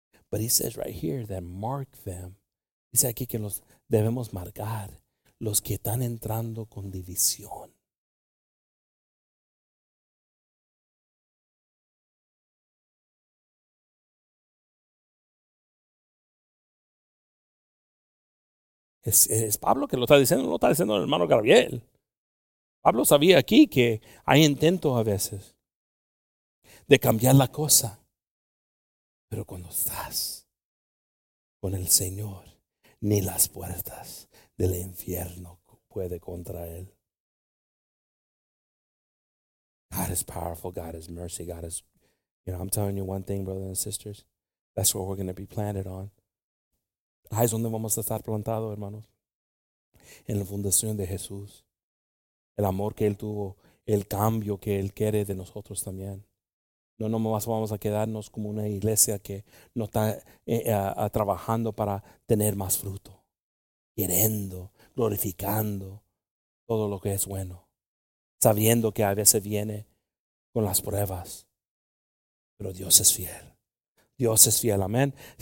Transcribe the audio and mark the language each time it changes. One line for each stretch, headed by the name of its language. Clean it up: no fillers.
English: But he says right here that mark them.
Spanish: Dice aquí que los debemos marcar los que están entrando con división. Es Pablo que lo está diciendo, no lo está diciendo el hermano Gabriel. Pablo sabía aquí que hay intentos a veces de cambiar la cosa. Pero cuando estás con el Señor, ni las puertas del infierno puede contra él.
English: God is powerful, God is mercy, God is, you know, I'm telling you one thing, brothers and sisters, that's what we're going to be planted on.
Spanish: Ahí es donde vamos a estar plantados, hermanos. En la fundación de Jesús. El amor que él tuvo, el cambio que él quiere de nosotros también. No nomás vamos a quedarnos como una iglesia que no está trabajando para tener más fruto, queriendo, glorificando todo lo que es bueno, sabiendo que a veces viene con las pruebas, pero Dios es fiel. Dios es fiel, amén.